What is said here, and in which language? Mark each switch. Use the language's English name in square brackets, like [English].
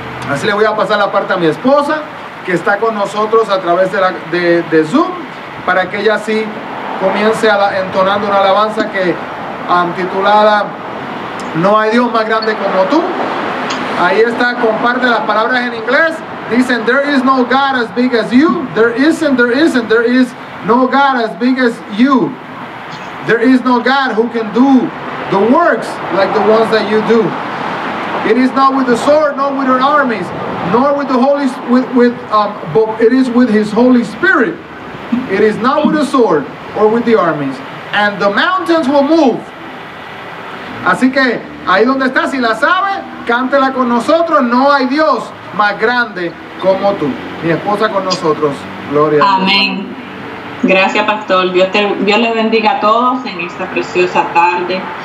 [Spanish] Así le voy a pasar la parte a mi esposa, que está con nosotros a través de Zoom, para que ella sí comience entonando una alabanza que titulada No hay Dios más grande como tú. Ahí está, comparte las palabras en inglés. Dicen, [English] there is no God as big as you. There isn't. There is no God as big as you. There is no God who can do the works like the ones that you do. It is not with the sword, nor with your armies, nor with the Holy Spirit, but it is with his Holy Spirit. It is not with the sword or with the armies. And the mountains will move. [Spanish] Así que ahí donde está, si la sabe, cántela con nosotros. No hay Dios más grande como tú. Mi esposa con nosotros. Gloria a Dios. Amén. Gracias, pastor. Dios les bendiga a todos en esta preciosa tarde.